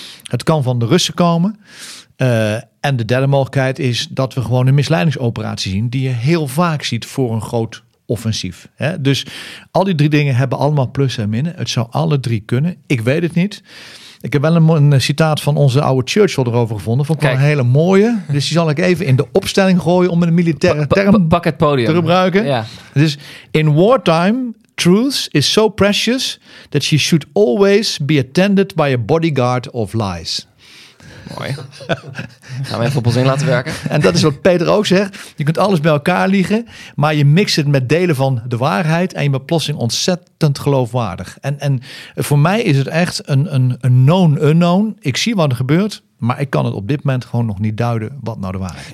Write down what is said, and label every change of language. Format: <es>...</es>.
<nl>Het kan van de Russen komen. En de derde mogelijkheid is dat we gewoon een misleidingsoperatie zien die je heel vaak ziet voor een groot offensief. Hè? Dus al die drie dingen hebben allemaal plussen en minnen. Het zou alle drie kunnen. Ik weet het niet. Ik heb wel een citaat van onze oude Churchill erover gevonden. Vond ik wel een hele mooie. Dus die zal ik even in de opstelling gooien om een militaire term het podium te gebruiken. Ja. Het is</nl> <en>in wartime, truth is so precious that she should always be attended by a bodyguard of lies.</en> <nl>Mooi. Gaan we even op ons in laten werken. En dat is wat Peter ook zegt. Je kunt alles bij elkaar liegen, maar je mixt het met delen van de waarheid en je bent plotseling ontzettend geloofwaardig. En voor mij is het echt een known unknown. Ik zie wat er gebeurt, maar ik kan het op dit moment gewoon nog niet duiden wat nou de waarheid is.</nl>